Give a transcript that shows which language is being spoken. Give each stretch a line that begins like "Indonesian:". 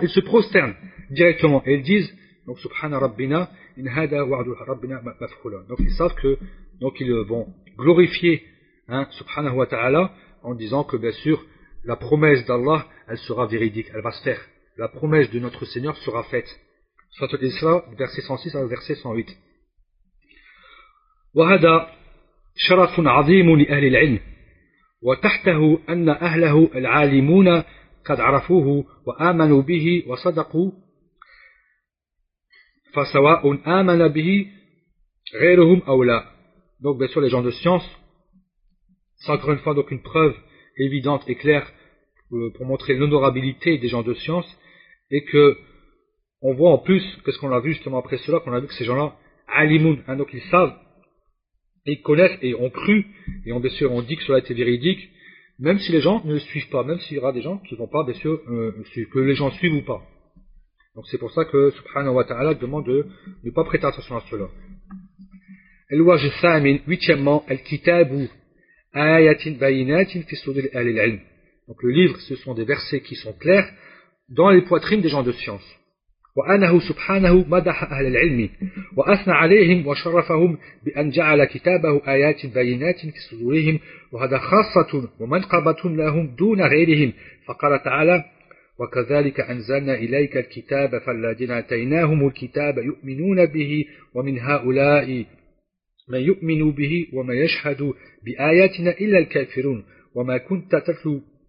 French: Ils se prosternent directement, et ils disent, donc,
Arabic: Subhana Rabbina, in hada wa'adu Rabbina mafkhula.
French: Donc, ils savent que, donc, ils vont glorifier, hein, Subhanahu wa Ta'ala, en disant que, bien sûr, la promesse d'Allah, elle sera véridique, elle va se faire. La promesse de notre Seigneur sera faite. Soit tout cela, verset 106 à verset 108.
Arabic: وهدا شرف عظيم لأهل العلم وتحته أن أهله العالمون قد عرفوه وآمنوا به وصدقوا فسواء آمن به غيرهم أو لا
French: Donc, bien sûr, les gens de science, c'est encore une fois donc une preuve évidente et claire pour montrer l'honorabilité des gens de science, et que on voit en plus, qu'est-ce qu'on a vu justement après cela, qu'on a vu que ces gens-là, alimoun, hein, donc ils savent, ils connaissent et ont cru, et ont bien sûr ont dit que cela était véridique, même si les gens ne le suivent pas, même s'il y aura des gens qui ne vont pas, bien sûr, que les gens suivent ou pas. Donc c'est pour ça que subhanahu wa ta'ala demande de ne pas prêter attention à cela.
Arabic: Al-Wajh Thamin,
French: huitièmement,
Arabic: Al-Kitabu Ayatin Bayinatin fi Sudur Ahli al-Ilm.
French: Donc le livre, ce sont des versets qui sont clairs dans les poitrines des gens de science.
Arabic: Wa anahu subhanahu madaha ahli al-ilmi wa athna alayhim wa sharafahum bi an ja'ala kitabahu ayatin bayinatin fi sudurihim wa hada khassatun wa manqabatun lahum duna ghayrihim fa qala ta'ala وكذلك أنزلنا إليك الكتاب فالذين آتيناهم الكتاب يؤمنون به ومن هؤلاء من يؤمن به وما يشهد بآياتنا إلا الكافرون وما كنت تتلو